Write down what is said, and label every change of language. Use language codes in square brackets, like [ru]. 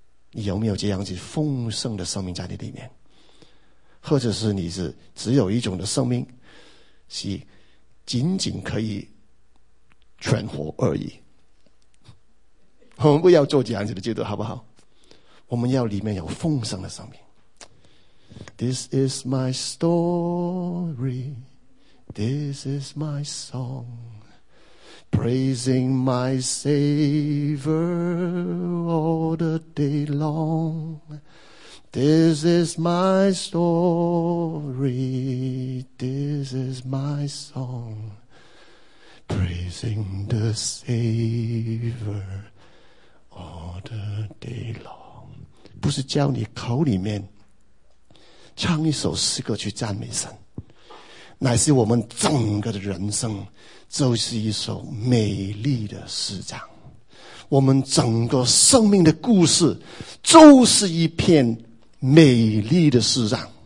[zh] 你有没有这样子丰盛的生命在你里面？或者是你是只有一种的生命，是仅仅可以存活而已？我们不要做这样子的基督徒，好不好？我们要里面有丰盛的生命。 [en] This is my story, this is my song, praising my Savior all the day long. This is my story, this is my song, praising the Savior all the day long. [zh] 不是叫你口里面唱一首诗歌去赞美神，乃是我们整个的人生就是一首美丽的诗章，我们整个生命的故事就是一片美丽的诗章。